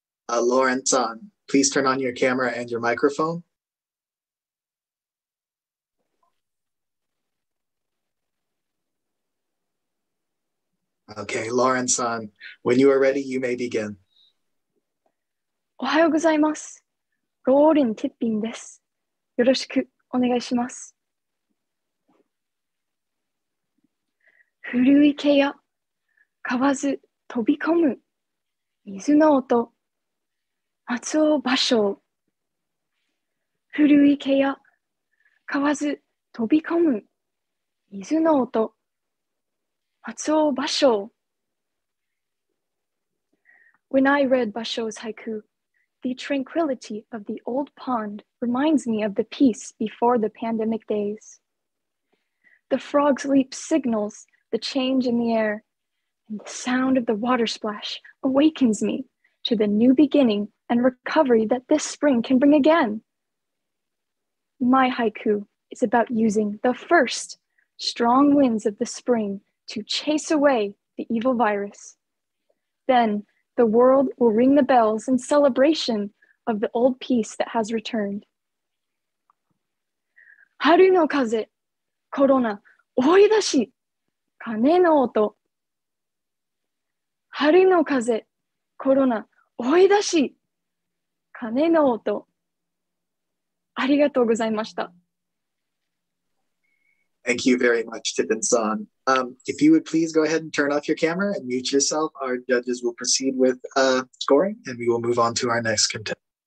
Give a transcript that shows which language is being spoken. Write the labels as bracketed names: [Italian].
[English] Lauren-san, please turn on your camera and your microphone. Okay, Lauren-san, when you are ready, you may begin. [Japanese] おはようございます。ローリン・ティッピンです。よろしくお願いします。古池や川津飛び込む水の音、松尾芭蕉。古池や川津飛び込む水の音、松尾芭蕉。 [English] When I read Basho's haiku, the tranquility of the old pond reminds me of the peace before the pandemic days. The frog's leap signals the change in the air, and the sound of the water splash awakens me to the new beginning and recovery that this spring can bring again. My haiku is about using the first strong winds of the spring to chase away the evil virus. Then, the world will ring the bells in celebration of the old peace that has returned. [Japanese] Haru no kaze, korona, oidashi, kane no oto. 春の風、コロナ、追い出し、鐘の音。ありがとうございました。 [English] Thank you very much, Tippin-san. If you would please go ahead and turn off your camera and mute yourself, our judges will proceed with scoring, and we will move on to our next contestant.